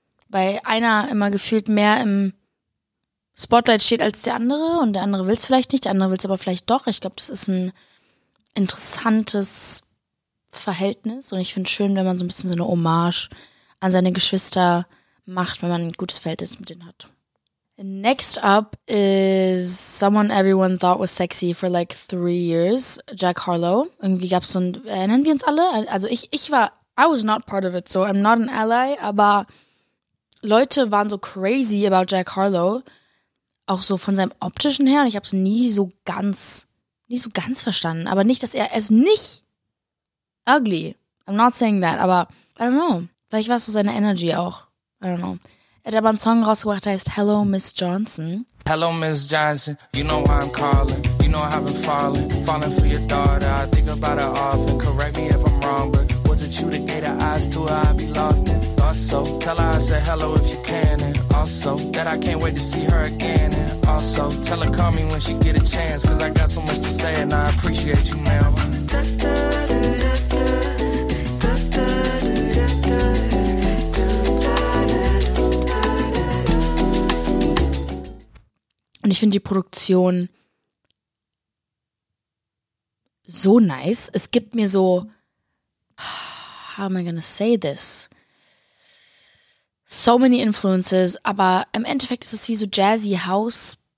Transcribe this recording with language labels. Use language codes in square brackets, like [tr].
[de] Weil einer immer gefühlt mehr im Spotlight steht als der andere und der andere will es vielleicht nicht, der andere will es aber vielleicht doch. Ich glaube, das ist ein interessantes Verhältnis und ich finde es schön, wenn man so ein bisschen so eine Hommage an seine Geschwister macht, wenn man ein gutes Verhältnis mit denen hat. [en] Next up is someone everyone thought was sexy for like 3 years, Jack Harlow. [de] Irgendwie gab es so ein, erinnern wir uns alle? Also ich war, [en] I was not part of it, so I'm not an ally, [de] aber Leute waren so [en] crazy about [de] Jack Harlow, auch so von seinem Optischen her, und ich habe es nie so ganz verstanden, aber nicht, dass er ist nicht ugly, [en] I'm not saying that, [de] aber [en] I don't know, [de] vielleicht war es so seine Energy auch, I don't know. Er hat aber einen Song rausgebracht, der heißt Hello Miss Johnson. [en] Hello Miss Johnson, you know why I'm calling, you know I haven't fallen, falling for your daughter, I think about her often, correct me if I'm wrong, but was it you that gave the eyes to her, I'd be lost in thought. also tell her I said hello if she can, and also that I can't wait to see her again, and also tell her call me when she get a chance, cause I got so much to say and I appreciate you, ma'am. [de] Und ich finde die Produktion so nice. Es gibt mir so, [en] how am I gonna say this? So many influences, [de] aber im Endeffekt ist es wie so Jazzy House.